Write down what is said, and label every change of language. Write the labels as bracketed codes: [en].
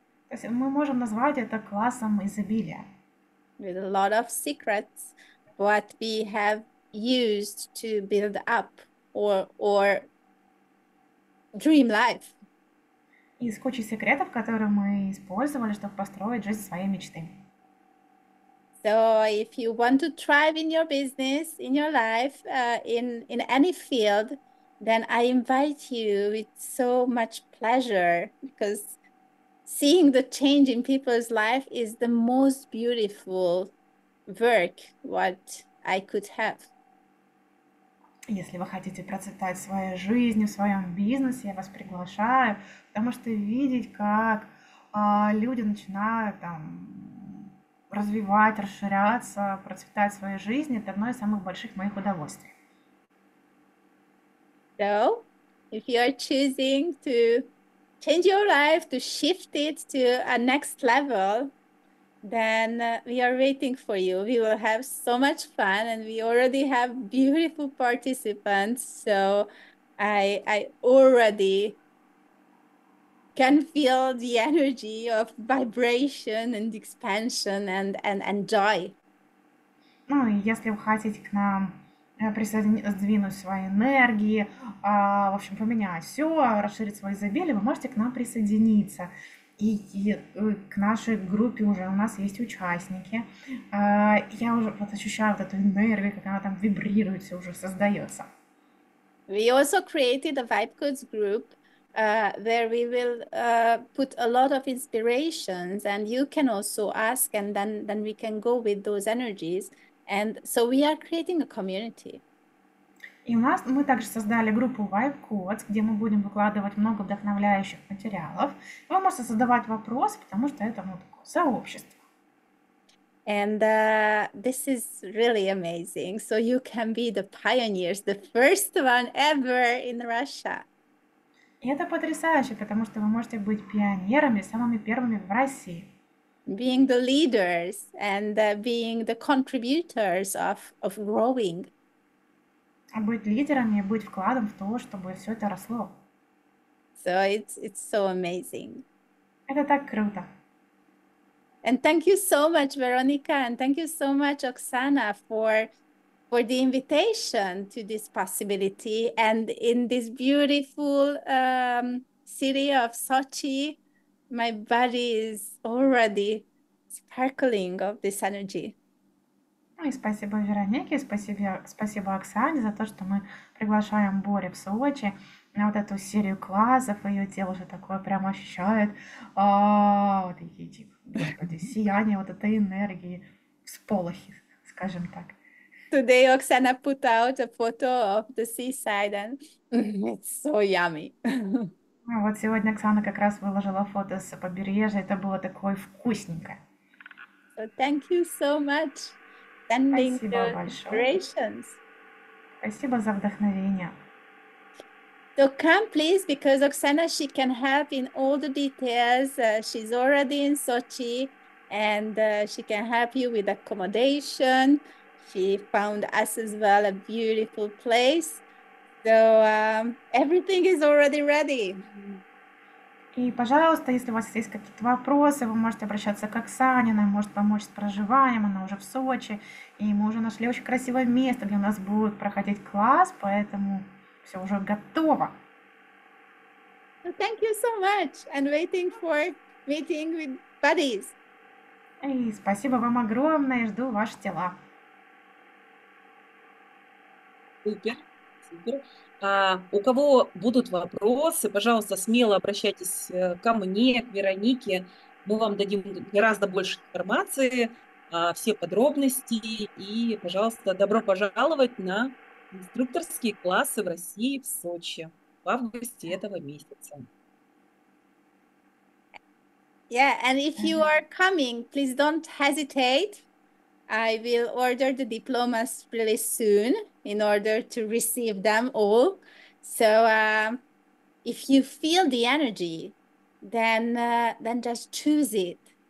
[ru] То есть мы можем назвать это классом изобилия. [en] With a lot of secrets, what we have used to build up or dream life. [ru] Из кучи секретов, которые мы использовали, чтобы построить жизнь своей мечты. [en] So, if you want to thrive in your business, in your life, in any field, then I invite you with so much pleasure because seeing the change in people's life is the most beautiful work what I could have. [ru] Если вы хотите процветать в своей жизни, в своем бизнесе, я вас приглашаю, потому что видеть, как люди начинают там, развивать, расширяться, процветать в своей жизни, это одно из самых больших моих удовольствий. [en] So, if you are choosing to change your life, to shift it to a next level, then we are waiting for you. We will have so much fun and we already have beautiful participants. So I already can feel the energy of vibration and expansion and joy. [ru] Ну, и если вы хотите к нам сдвинуть свои энергии, в общем, поменять все, расширить свои изобилия, вы можете к нам присоединиться. И к нашей группе уже у нас есть участники. Я уже вот ощущаю вот эту энергию, как она там вибрирует, все уже создается. [en] We also created a Vibe Codes group where we will put a lot of inspirations, and you can also ask, and then we can go with those energies. And so we are creating a community. [ru] И у нас мы также создали группу Vibe Codes, где мы будем выкладывать много вдохновляющих материалов. Вы можете задавать вопросы, потому что это ну, такое сообщество. [en] And this is really amazing. So you can be the pioneers, the first one ever in Russia. [ru] И это потрясающе, потому что вы можете быть пионерами, самыми первыми в России. [en] Being the leaders and being the contributors of growing. [ru] Быть лидерами и быть вкладом в то, чтобы все это росло. [en] So it's so amazing. [ru] Это так круто. [en] And thank you so much, Veronica, and thank you so much, Oksana, for the invitation to this possibility and in this beautiful city of Sochi, my body is already sparkling of this energy. [ru] И спасибо Веронике, спасибо Оксане за то, что мы приглашаем Боря в Сочи на вот эту серию классов. Ее тело уже такое прям ощущает. О, такие, типа, господи, сияние вот этой энергии, всполохи, скажем так. [en] Today, Oksana put out a photo of the seaside, and it's so yummy. [ru] А вот сегодня Оксана как раз выложила фото с побережья. Это было такое вкусненькое. [en] So thank you so much for sending [ru] Спасибо [en] your [ru] большое. [en] inspirations. [ru] Спасибо за вдохновение. [en] So come, please, because Oksana, she can help in all the details. She's already in Sochi, and she can help you with accommodation. She found us as well a beautiful place. So everything is already ready. [ru] И, пожалуйста, если у вас есть какие-то вопросы, вы можете обращаться к Оксане, она может помочь с проживанием, она уже в Сочи, и мы уже нашли очень красивое место, где у нас будет проходить класс, поэтому все уже готово. [en] Thank you so much and waiting for meeting with buddies. [ru] И спасибо вам огромное, жду ваши тела. Супер, супер. У кого будут вопросы, пожалуйста, смело обращайтесь ко мне, к Веронике. Мы вам дадим гораздо больше информации, все подробности. И, пожалуйста, добро пожаловать на инструкторские классы в России, в Сочи в августе этого месяца. [en] Yeah, and if you are coming, please don't hesitate. I will order the diplomas really soon in order to receive them all. So if you feel the energy, then just choose it.